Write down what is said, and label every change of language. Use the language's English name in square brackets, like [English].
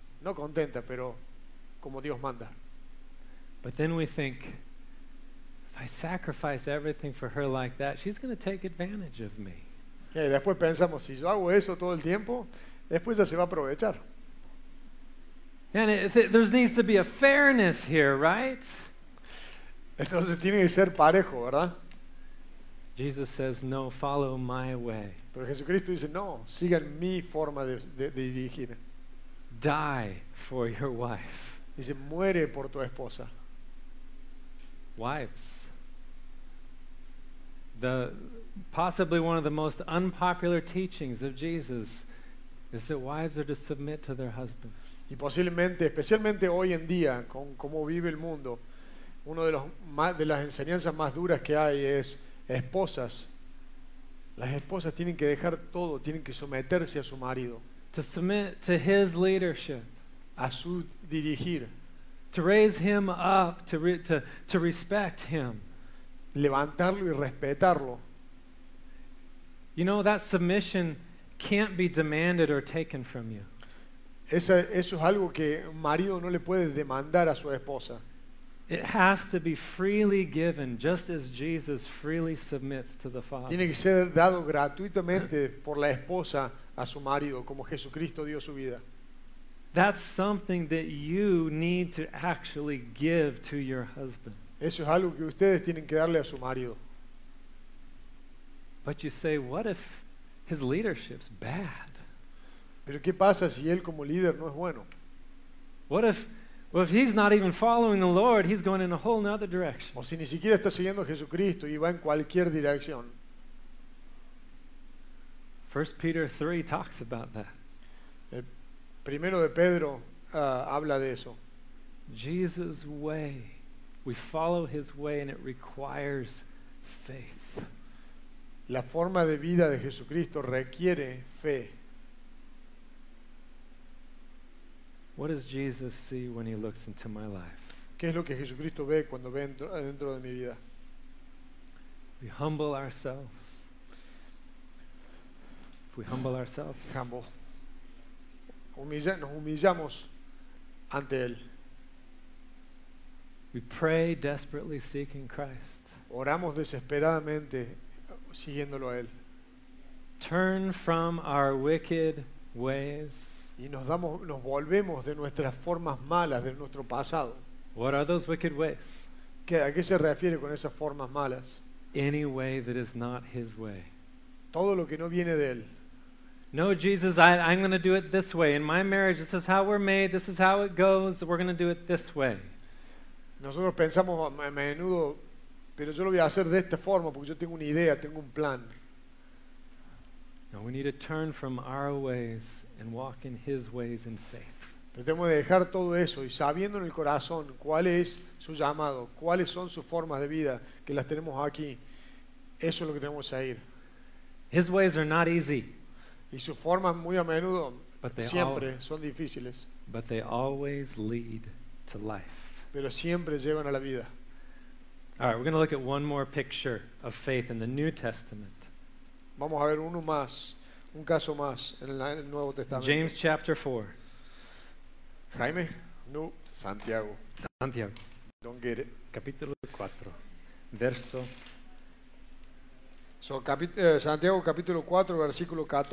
[Spanish] No contenta, pero como Dios manda. [English] But then we think, if I sacrifice everything for her like that, she's going to take advantage of me. [Spanish] Yeah, y después pensamos, si yo hago eso todo el tiempo, después ya se va a aprovechar. [English] And there needs to be a fairness here, right? [Spanish] Entonces tiene que ser parejo, ¿verdad? [English] Jesus says, "No, follow my way." [Spanish] Pero Jesucristo dice, "No, sigan mi forma de dirigir." [English] Die for your wife. [Spanish] Dice, "Muere por tu esposa." [English] Wives. Possibly one of the most unpopular teachings of Jesus is that wives are to submit to their husbands. [Spanish] Y posiblemente, especialmente hoy en día, con cómo vive el mundo, uno de los de las enseñanzas más duras que hay es esposas. Las esposas tienen que dejar todo, tienen que someterse a su marido. [English] To submit to his leadership. [Spanish] A su dirigir. [English] To raise him up, to respect him. [Spanish] Levantarlo y respetarlo. [English] You know, that submission can't be demanded or taken from you. [Spanish] Eso es algo que un marido no le puede demandar a su esposa. [English] It has to be freely given, just as Jesus freely submits to the Father. [Spanish] Tiene que ser dado gratuitamente por la esposa a su marido, como Jesucristo dio su vida. [English] That's something that you need to actually give to your husband. [Spanish] Eso es algo que ustedes tienen que darle a su marido. [English] But you say, what if his leadership's bad? [Spanish] Pero ¿qué pasa si él como líder no es bueno? [English] Well, if he's not even following the Lord, he's going in a whole other direction. [Spanish] O si ni siquiera está siguiendo a Jesucristo y va en cualquier dirección. [English] 1 Peter 3 talks about that. [Spanish] El primero de Pedro habla de eso. [English] Jesus' way. We follow his way and it requires faith. [Spanish] La forma de vida de Jesucristo requiere fe. [English] What does Jesus see when he looks into my life? [Spanish] ¿Qué es lo que Jesucristo ve cuando ve dentro de mi vida? [English] We humble ourselves. If we humble ourselves. [Spanish] Nos humillamos ante él. [English] We pray desperately seeking Christ. [Spanish] Oramos desesperadamente siguiéndolo a él. [English] Turn from our wicked ways. [Spanish] Y nos volvemos de nuestras formas malas, de nuestro pasado. [English] What are those wicked ways? [Spanish] ¿A qué se refiere con esas formas malas? [English] Any way that is not his way. [Spanish] Todo lo que no viene de él. [English] No, Jesus, I'm going to do it this way. In my marriage, this is how we're made, this is how it goes, we're going to do it this way. [Spanish] Nosotros pensamos a menudo, pero yo lo voy a hacer de esta forma porque yo tengo una idea, tengo un plan. [English] No, we need to turn from our ways and walk in his ways in faith. [Spanish] Pero tenemos que dejar todo eso y sabiendo en el corazón cuál es su llamado, cuáles son sus formas de vida que las tenemos aquí. Eso es lo que tenemos que seguir. [English] His ways are not easy. [Spanish] Y sus formas muy a menudo siempre son difíciles. [English] But they always lead to life. [Spanish] Pero siempre llevan a la vida. [English] All right, we're going to look at one more picture of faith in the New Testament. [Spanish] Vamos a ver uno más, un caso más en el Nuevo Testamento. [English] James chapter 4. [Spanish] Jaime, no, Santiago. Santiago. [English] Don't get it. [Spanish] Capítulo 4, verso. So, Santiago capítulo 4, versículo